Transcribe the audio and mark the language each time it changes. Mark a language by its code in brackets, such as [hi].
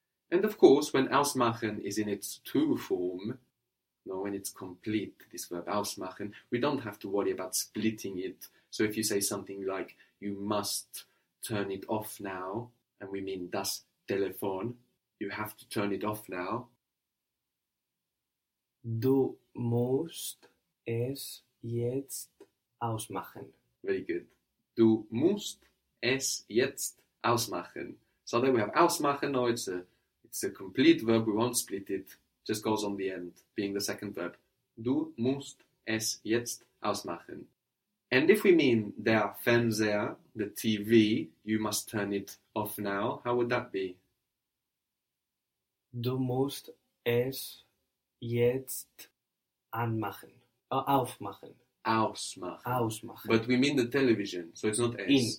[en] And of course, when ausmachen is in its to form, no, when it's complete, this verb ausmachen, we don't have to worry about splitting it. So if you say something like, you must turn it off now, and we mean das Telefon, you have to turn it off now. [de] Du musst es jetzt ausmachen. [en] Very good. [de] Du musst es jetzt ausmachen. [en] So then we have ausmachen, now it's a complete verb, we won't split it, just goes on the end, being the second verb. [de] Du musst es jetzt ausmachen. [en] And if we mean der Fernseher, the TV, you must turn it off now, how would that be? [de] Du musst es jetzt anmachen. Aufmachen. Ausmachen. Ausmachen. [en] But we mean the television, so it's not es.